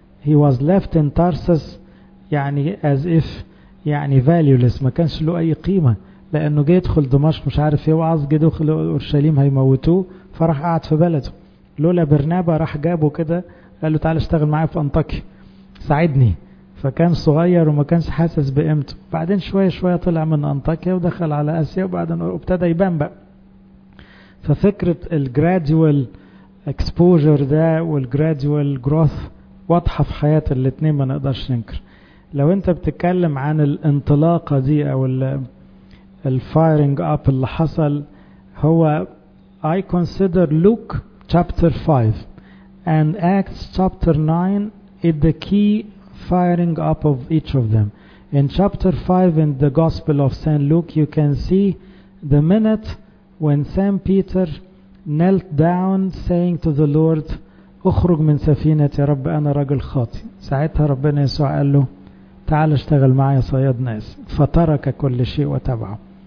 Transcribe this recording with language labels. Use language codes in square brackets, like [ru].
[en] He was left in Tarsus, يعني as if يعني valueless. [ar] ما كانش له أي قيمة لأنه جاي يدخل دمشق مش عارف يوعظ, جاي يدخل أورشليم هيموتوه, فراح قعد في بلده. لولا برنابا راح جابه كده قال له تعال اشتغل معايا في أنطاكيا ساعدني. فكان صغير وما كانش حاسس بقيمته. بعدين شوية شوية طلع من أنطاكيا ودخل على آسيا وبعدين ابتدى يبان بقى. ففكرة الجراديوال اكسبوجر ده والجراديوال جروث واضحة في حياة الاتنين ما نقدرش ننكر. لو انت بتتكلم عن الانطلاقة دي او الفايرنج اب اللي حصل, هو [en] I consider Luke chapter 5 and Acts chapter 9 is the key firing up of each of them. In chapter 5 in the Gospel of St. Luke, you can see the minute when St. Peter knelt down saying to the Lord, [ar] اخرج من سفينتي يا رب انا رجل خاطي. ساعتها ربنا يسوع قال له تعال اشتغل معي صياد ناس, فترك كل شيء وتبعه.